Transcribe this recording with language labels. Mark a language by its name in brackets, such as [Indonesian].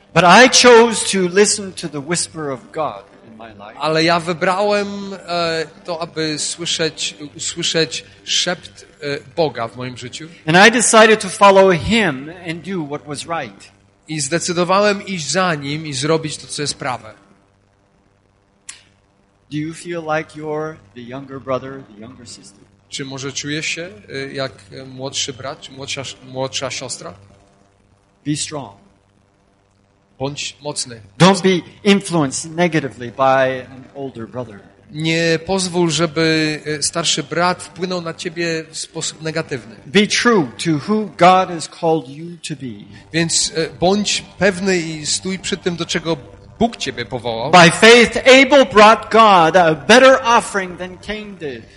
[English] But I chose to listen to the whisper of God in my life. [Polish] Ale ja wybrałem to, aby usłyszeć szept Boga w moim życiu. [English] And I decided to follow him and do what was right. [Polish] I zdecydowałem iść za nim i zrobić to, co jest prawe. [English] Do you feel like you're the younger brother, the younger sister? [Polish] Czy może czujesz się jak młodszy brat, młodsza siostra? [English] Be strong. [Polish] Bądź mocny. [English] Don't be influenced negatively by an older brother. [Polish] Nie pozwól, żeby starszy brat wpłynął na ciebie w sposób negatywny. [English] Be true to who God has called you to be. [Polish] Więc bądź pewny i stój przy tym, do czego Bóg ciebie powołał. [English] By faith Abel brought God a better offering than Cain did.